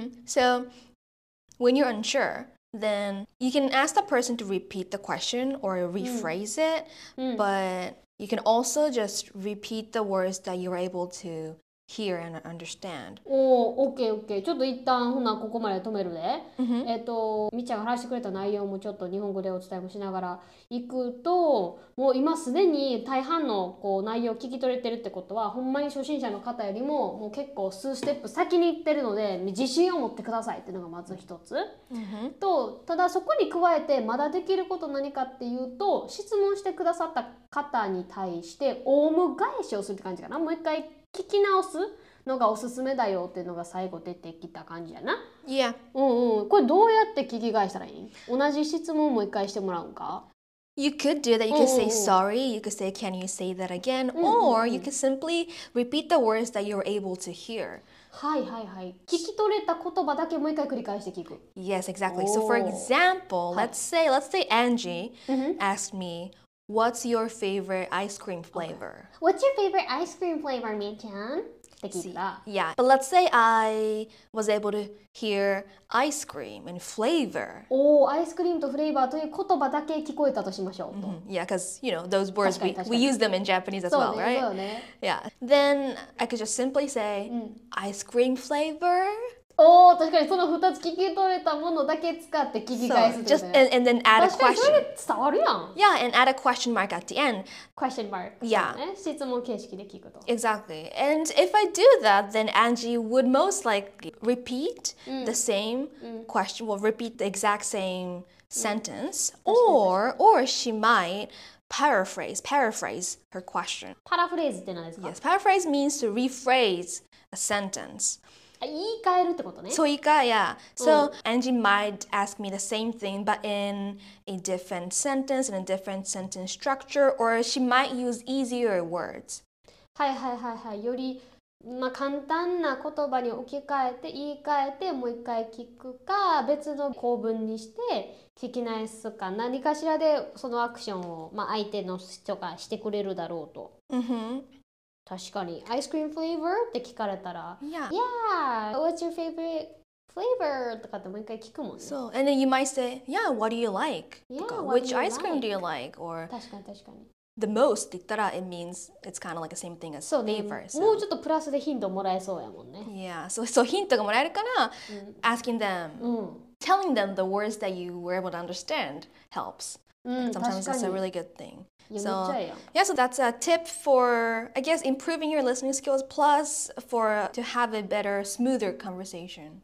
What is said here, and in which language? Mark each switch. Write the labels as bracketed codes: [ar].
[en] So when you're unsure, then you can ask the person to repeat the question or rephrase it. But you can also just repeat the words that you're able to hear and understand. Oh, okay, okay. [ja] ちょっと一旦ほなここまで止めるで。みちゃんが話してくれた内容もちょっと日本語でお伝えもしながら行くと、もう今すでに大半のこう内容を聞き取れてるってことは、ほんまに初心者の方よりももう結構数ステップ先に行ってるので、自信を持ってくださいっていうのがまず一つ。と、ただそこに加えてまだできること何かっていうと、質問してくださった方に対してオウム返しをするって感じかな。もう一回聞き直すのがおすすめだよっていうのが最後出てきた感じやな。 [en] Yeah. [ja] これどうやって聞き返したらいい？同じ質問もう一回してもらうか？ [en] You could do that. You could say sorry. You could say, can you say that again? Or you could simply repeat the words that you're able to hear. [ja] はいはいはい。聞き取れた言葉だけもう一回繰り返して聞く。 [en] Yes, exactly. So for example, let's say Angie asked me, What's your favorite ice cream flavor? Okay. What's your favorite ice cream flavor, Mi-chan? [ja] って聞いた。 [en] See, yeah, but let's say I was able to hear ice cream and flavor. [ja] おお、アイスクリームとフレーバーという言葉だけ聞こえたとしましょうと。 Mm-hmm. [en] Yeah, because, you know, those words, we use them in Japanese as well, right? [ja] そうね、そうね。 [en] Yeah, then I could just simply say,、ice cream flavor? [ja] おお、確かにその2つ聞き取れたものだけ使って聞き返すとね。 [en] So, and then add a question. [ja] 確かにそれ伝わるやん。 [en] Yeah, and add a question mark at the end. Question mark. Yeah. [ja] 質問形式で聞くと。 [en] Exactly. And if I do that, then Angie would most likely repeat the same question, well, repeat the exact same sentence, or she might paraphrase her question. [ja] パラフレーズって何ですか? [en] Yes, paraphrase means to rephrase a sentence. [ja] 言い換えるってことね。そう言い換え、 [en] yeah. So,、Angie might ask me the same thing, but in a different sentence, in a different sentence structure, or she might use easier words. [ja] はいはいはいはい。より、まあ、簡単な言葉に置き換えて、言い換えて、もう一回聞くか、別の構文にして聞き直すか、何かしらでそのアクションを、まあ、相手の人がしてくれるだろうと。 Mm-hmm. 確かに。アイスクリームフレーバーって聞かれたら、 [en] Yeah! What's your favorite flavor? [ja] とかってもう一回聞くもんね。 [en] So, and then you might say, Yeah, what do you like? Yeah, Which ice cream do you like? Or, [ja] 確かに確かに。 [en] The most [ja] って言ったら、 [en] It means it's kind of like the same thing as flavor.、 [ja] ね、もうちょっとプラスでヒントもらえそうやもんね。 [en] Yeah, so [ja] ヒントがもらえるから、 [en] asking them,、telling them the words that you were able to understand helps. Sometimes that's a really good thing. So, yeah, so that's a tip for, I guess, improving your listening skills plus for to have a better, smoother conversation.